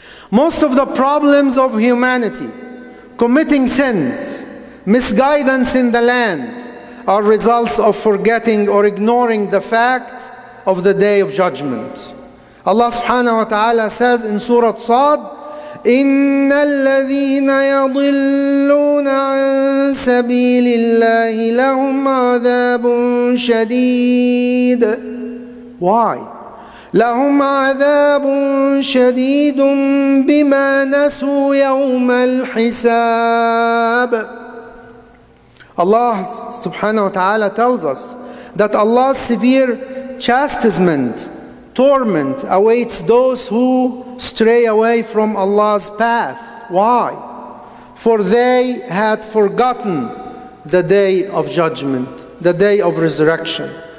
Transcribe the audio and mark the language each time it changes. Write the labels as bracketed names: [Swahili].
[English] Most of the problems of humanity, committing sins, misguidance in the land, are results of forgetting or ignoring the fact of the Day of Judgment. Allah subhanahu wa ta'ala says in Surah Sad, [Arabic] إن الذين يضلون عن سبيل الله لهم عذاب شديد. [English] Why? [Arabic] لهم عذاب شديد بما نسوا يوم الحساب. [English] Allah subhanahu wa ta'ala tells us that Allah's severe chastisement, torment awaits those who stray away from Allah's path. Why? For they had forgotten the day of judgment, the day of resurrection.